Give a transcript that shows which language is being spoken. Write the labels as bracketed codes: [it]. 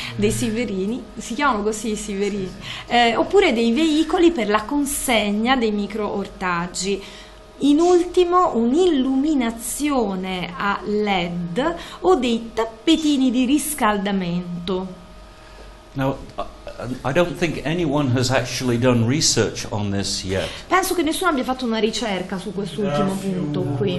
[it] Dei siberini, si chiamano così i siberini, oppure dei veicoli per la consegna dei microortaggi. In ultimo, un'illuminazione a LED o dei tappetini di riscaldamento. [en] Now, I don't think anyone has actually done research on this yet. [it] Penso che nessuno abbia fatto una ricerca su quest'ultimo punto qui.